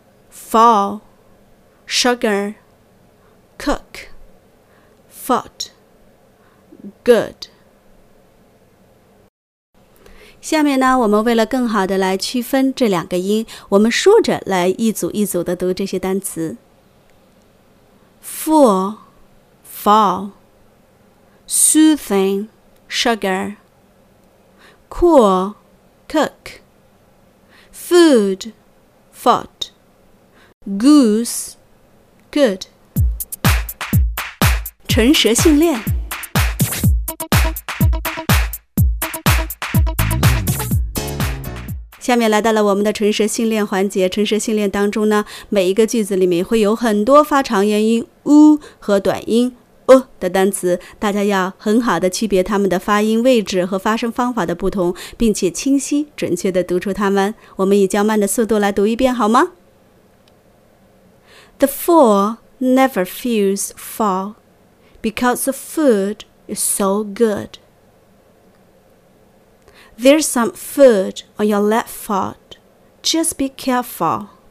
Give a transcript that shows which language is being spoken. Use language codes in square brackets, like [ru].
[en] Fall, sugar, cook, fought, good. [zh] 下面呢，我们为了更好的来区分这两个音，我们竖着来一组一组的读这些单词。 [en] Fall, fall, soothing, sugar, cool, cook, food, fought. Goose, good. [zh] 唇舌训练。下面来到了我们的唇舌训练环节。唇舌训练当中呢，每一个句子里面会有很多发长元音 u 和短音 o 的单词，大家要很好的区别它们的发音位置和发声方法的不同，并且清晰准确的读出它们。我们以较慢的速度来读一遍好吗？ [en] The fall never feels fall because the food is so good. There's some food on your left foot. Just be careful.